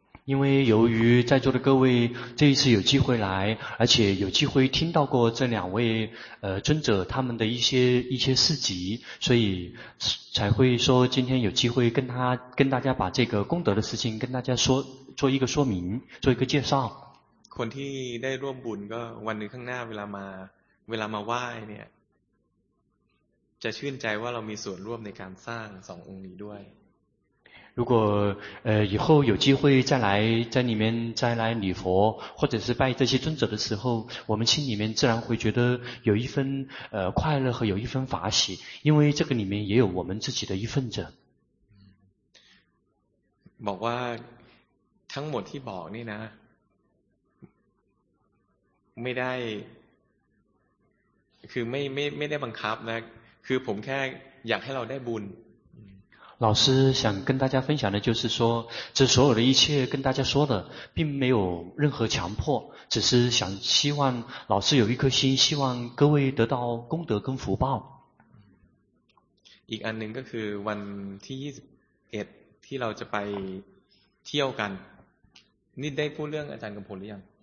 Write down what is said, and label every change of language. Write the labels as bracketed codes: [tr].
[zh] 因为由于在座的各位这一次有机会来，而且有机会听到过这两位尊者他们的一些事迹，所以才会说今天有机会跟大家把这个功德的事情跟大家说，做一个说明，做一个介绍。 [th] คนที่ได้ร่วมบุญก็วันหนึ่งข้างหน้าเวลามาไหว้เนี่ยจะชื่นใจว่าเรามีส่วนร่วมในการสร้างสององค์นี้ด้วย。 [zh] 如果以后有机会再来在里面再来礼佛或者是拜这些尊者的时候，我们心里面自然会觉得有一份快乐和有一份法喜，因为这个里面也有我们自己的一份者。 [th] บอกว่าทั้งหมดที่บอกนี่นะไม่ได้คือไม่ได้บังคับนะคือผมแค่อยากให้เราได้บุญ。 [zh] 老师想跟大家分享的就是说，这所有的一切跟大家说的并没有任何强迫，只是想希望老师有一颗心，希望各位得到功德跟福报。 [th] อีกอันหนึ่งก็คือวันที่21ที่เราจะไปเที่ยวกันนี่ได้พูดเรื่องอาจารย์กำพลหรือยัง